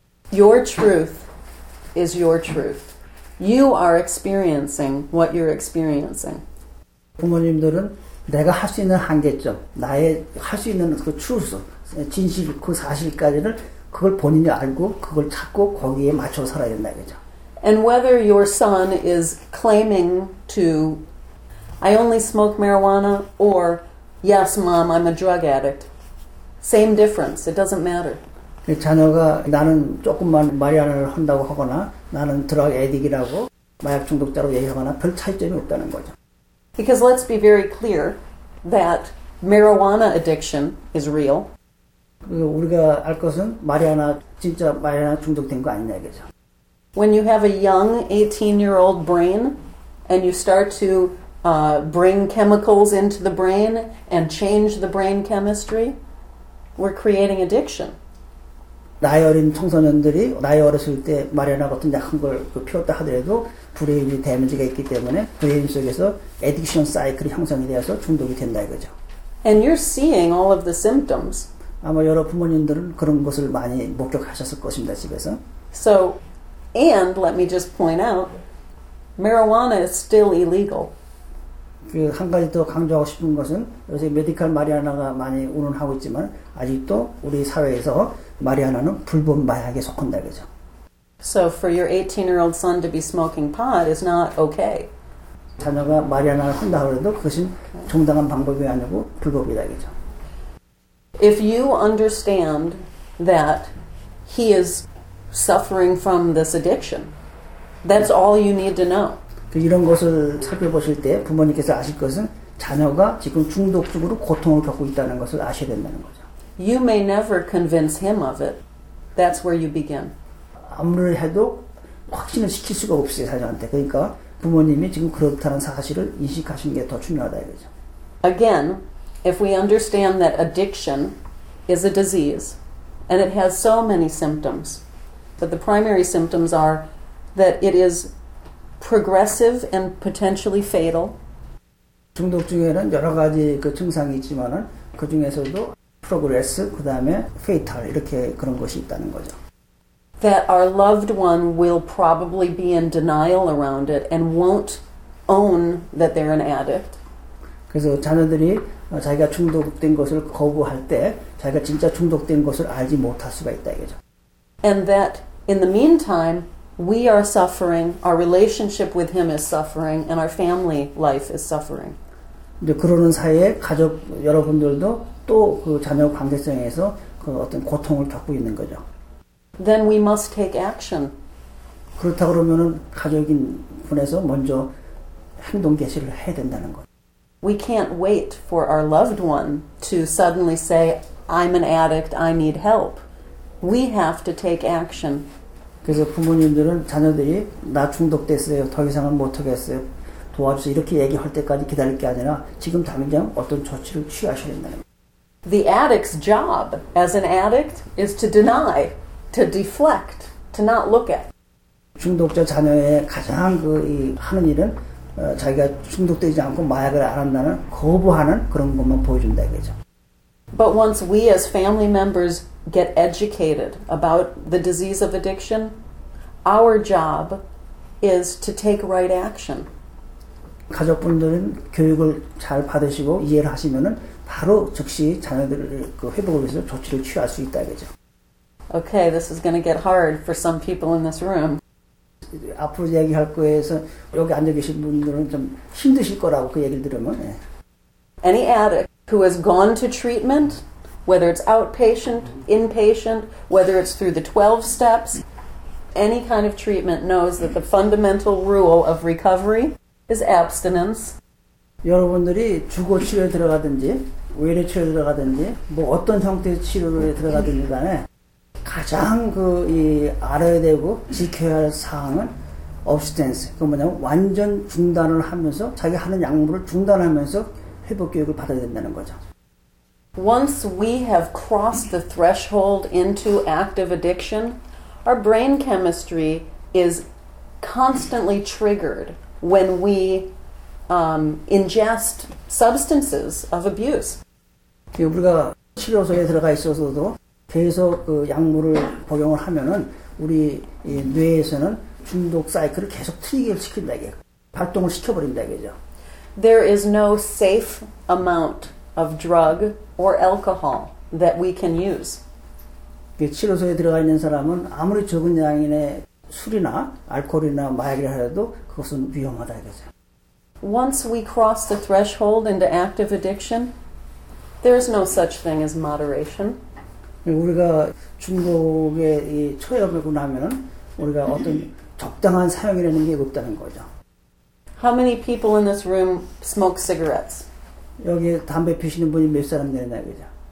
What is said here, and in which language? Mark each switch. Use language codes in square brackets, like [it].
[en] Your truth is your truth. You are experiencing what you're experiencing. [ko] 부모님들은 내가 할 수 있는 한계점, 나의 할 수 있는 그 추수, 진실 그 사실까지를 그걸 본인이 알고 그걸 찾고 거기에 맞춰 살아야 된다 그죠. [en] And whether your son is claiming to I only smoke marijuana or yes mom I'm a drug addict. Same difference. It doesn't matter. [ko] 자녀가 나는 조금만 마리아나를 한다고 하거나 나는 드럭 에딕이라고 마약 중독자로 얘기하거나 별 차이점이 없다는 거죠. [en] Because let's be very clear that marijuana addiction is real. [ko] 우리가 알 것은 마리아나 진짜 마리아나 중독된 거 아니냐 이거죠. [en] When you have a young 18-year-old brain and you start to bring chemicals into the brain and change the brain chemistry, we're creating addiction. [ko] 나이 어린 청소년들이 나이 어렸을 때 마리아나 같은 약한 걸 피웠다 하더라도 브레인이 데미지가 있기 때문에 브레인 속에서 에딕션 사이클이 형성이 되어서 중독이 된다 이거죠. [en] And you're seeing all of the symptoms. [ko] 아마 여러 부모님들은 그런 것을 많이 목격하셨을 것입니다, 집에서. [en] So, and let me just point out, marijuana is still illegal. [ko] 그 한 가지 더 강조하고 싶은 것은 요새 메디컬 마리아나가 많이 운운하고 있지만 아직도 우리 사회에서 마리아나는 불법 마약에 속한다 그죠. [en] So for your 18-year-old son to be smoking pot is not okay. [ko] 자녀가 마리아나를 한다 그래도 그것은 정당한 방법이 아니고 불법이다 그죠. [en] If you understand that he is suffering from this addiction, That's all you need to know. [ko] 이런 것을 살펴보실 때 부모님께서 아실 것은 자녀가 지금 중독적으로 고통을 겪고 있다는 것을 아셔야 된다는 거죠. [en] You may never convince him of it. That's where you begin. [ko] 아무리 해도 확신을 시킬 수가 없어요, 자녀한테. 그러니까 부모님이 지금 그렇다는 사실을 인식하시는 게 더 중요하다 이거죠. [en] Again, if we understand that addiction is a disease and it has so many symptoms, but the primary symptoms are that it is progressive and potentially fatal. [ko] 중독 중에는 여러 가지 그 증상이 있지만은 그 중에서도 프로그레스 그다음에 페이탈 이렇게 그런 것이 있다는 거죠. [en] That our loved one will probably be in denial around it and won't own that they're an addict. [ko] 그래서 자녀들이 자기가 중독된 것을 거부할 때 자기가 진짜 중독된 것을 알지 못할 수가 있다 이거죠. [en] And that in the meantime we are suffering, our relationship with him is suffering and our family life is suffering. [ko] 이제 그러는 사이에 가족 여러분들도 또 그 자녀 관계성에서 그 어떤 고통을 겪고 있는 거죠. [en] Then we must take action. [ko] 그렇다 그러면은 가족인 분에서 먼저 행동 개시를 해야 된다는 거. [en] We can't wait for our loved one to suddenly say, "I'm an addict. I need help." We have to take action. [ko] 그래서 부모님들은 자녀들이 나 중독됐어요. 더 이상은 못 하겠어요. 도와주세요. 이렇게 얘기할 때까지 기다릴 게 아니라 지금 당장 어떤 조치를 취하셔야 된다는 거. [en] The addict's job as an addict is to deny, to deflect, to not look at. [ko] 중독자 자녀의 가장 그 이 하는 일은 자기가 중독되지 않고 마약을 안 한다는 거부하는 그런 것만 보여준다 이거죠. [en] But once we as family members get educated about the disease of addiction, our job is to take right action. [ko] 가족분들은 교육을 잘 받으시고 이해를 하시면은 바로 즉시 자녀들을 그 회복을 위해서 조치를 취할 수 있다 이거죠. [en] Okay, this is going to get hard for some people in this room. [ko] 앞으로 얘기할 거에서 여기 앉아 계신 분들은 좀 힘드실 거라고 그 얘기를 들으면. 예. [en] Any addict who has gone to treatment, whether it's outpatient, inpatient, whether it's through the 12 steps, any kind of treatment knows that the fundamental rule of recovery is abstinence. [ko] 여러분들이 주거 치료에 들어가든지 외래 치료에 들어가든지 뭐 어떤 형태의 치료에 들어가든지 간에 가장 그 이 알아야 되고 지켜야 할 사항은 abstinence. 그 뭐냐면 완전 중단을 하면서 자기 하는 약물을 중단하면서 회복 교육을 받아야 된다는 거죠. [en] Once we have crossed the threshold into active addiction, our brain chemistry is constantly triggered when we ingest substances of abuse. [ko] 우리가 치료소에 들어가 있어서도 계속 그 약물을 복용을 하면은 우리 뇌에서는 중독 사이클을 계속 트리거를 시킨다 이게 발동을 시켜버린다 이거죠. [en] There is no safe amount of drug or alcohol that we can use. [ko] 치료소에 들어가 있는 사람은 아무리 적은 양의 술이나 알코올이나 마약이라 해도 그것은 위험하다 이거죠. [en] Once we cross the threshold into active addiction, there is no such thing as moderation. [ko] 우리가 중독에 처해버리고 나면 우리가 어떤 적당한 사용이라는 게 없다는 거죠. [en] How many people in this room smoke cigarettes? [ko] 여기 담배 피시는 분이 몇 사람 되나 그죠?